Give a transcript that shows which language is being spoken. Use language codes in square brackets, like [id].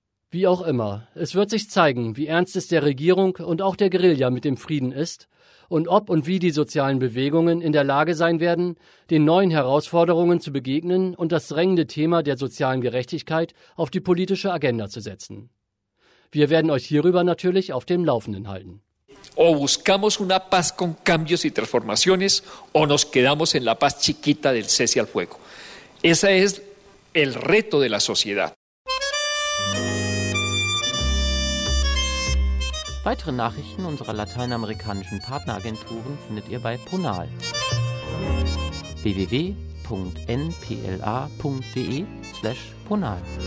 [de] Wie auch immer, es wird sich zeigen, wie ernst es der Regierung und auch der Guerilla mit dem Frieden ist und ob und wie die sozialen Bewegungen in der Lage sein werden, den neuen Herausforderungen zu begegnen und das drängende Thema der sozialen Gerechtigkeit auf die politische Agenda zu setzen. Wir werden euch hierüber natürlich auf dem Laufenden halten. [es] O buscamos una paz con cambios y transformaciones o nos quedamos en la paz chiquita del cese al fuego. Ese es el reto de la sociedad. [de] Weitere Nachrichten unserer lateinamerikanischen Partneragenturen findet ihr bei Ponal. www.npla.de/ponal.